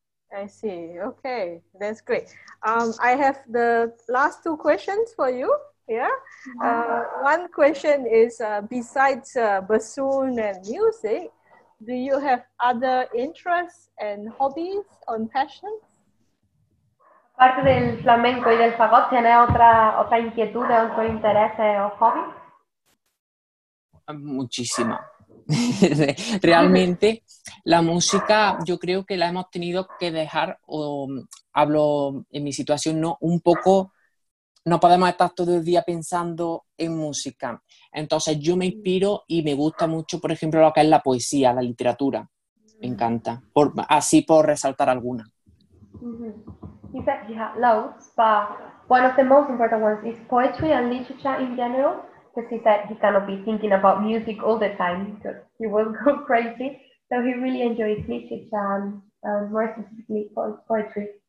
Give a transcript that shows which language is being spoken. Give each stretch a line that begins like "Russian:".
English: I see. Okay, that's great. I have the last two questions for you. Yeah. One question is, besides bassoon and music, do you have other interests and hobbies or passions?
Spanish: Aparte del flamenco y del fagot, ¿tiene otra inquietud, otro interés o hobby? Muchísima. Realmente la música yo creo que la hemos tenido que dejar, o hablo en mi situación, ¿no? Un poco, no podemos estar todo el día pensando en música. Entonces yo me inspiro y me gusta mucho, por ejemplo, lo que es la poesía, la literatura. Me encanta. Así por resaltar alguna.
English: He said he had loads, but one of the most important ones is poetry and literature in general, because he said he cannot be thinking about music all the time because he will go crazy. So he really enjoys literature and more specifically poetry.